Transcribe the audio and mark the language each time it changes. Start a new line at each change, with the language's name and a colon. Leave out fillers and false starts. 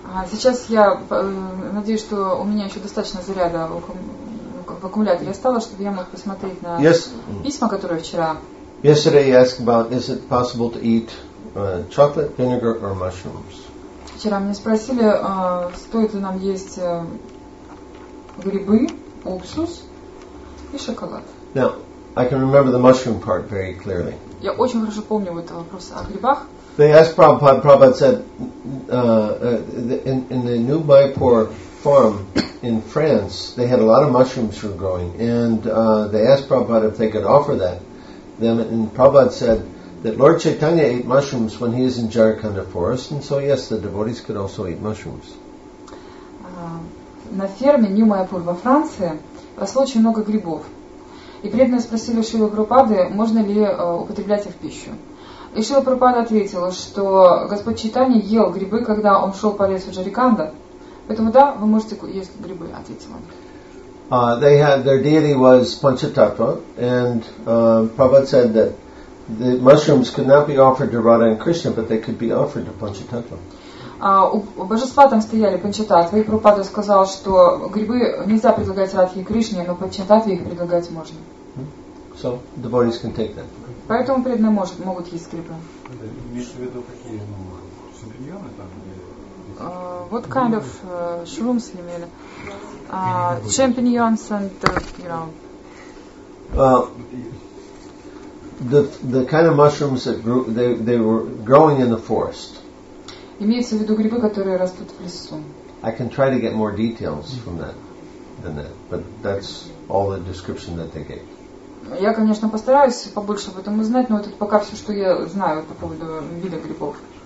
Russian: Сейчас я надеюсь, что у меня еще достаточно заряда в аккумуляторе осталось, чтобы я мог посмотреть на письма, которые вчера.
English: Yesterday you asked about is it possible to eat chocolate, vinegar or mushrooms?
Russian: Вчера меня спросили, стоит ли нам есть грибы, уксус и шоколад.
English: Now, I can remember the mushroom part very clearly.
Russian: Я очень хорошо помню вот этот вопрос о грибах.
English: They asked Prabhupada. Prabhupada said, in the New Mayapur farm in France, they had a lot of mushrooms were growing, and they asked Prabhupada if they could offer that them. And Prabhupada said that Lord Chaitanya ate mushrooms when he is in Jharkhand forest, and so yes, the devotees could also eat mushrooms.
Russian: На ферме New Mayapur во Франции росло очень много грибов, и преданные спросили Шрилу Прабхупады, можно ли употреблять их в пищу. И Шрила Прабхупада ответила, что Господь Чайтанья ел грибы, когда он шел по лесу Джариканда. Поэтому да, вы можете есть грибы, ответил он.
English: They had, their deity was Panchatattva, and Prabhupada said that the mushrooms could not be offered to Radha and Krishna, but they could be offered to Panchatattva.
Russian: У божества там стояли Панчататва, и Прабхупада сказал, что грибы нельзя предлагать Радхе и Кришне, но Панчататве их предлагать можно.
English: So the devotees can take that.
Russian: Поэтому преданные могут есть грибы. Это имеешь в виду какие, ну, шампиньоны там или?
English: What kind of shrooms you mean? Champignons and, you know. The kind of mushrooms that grew, they were growing in the forest.
Russian: Имеется в виду грибы, которые растут в лесу.
English: I can try to get more details from that than that, but that's all the description that they gave.
Russian: Я, конечно, постараюсь побольше об этом узнать, но это пока все, что я знаю по поводу вида грибов.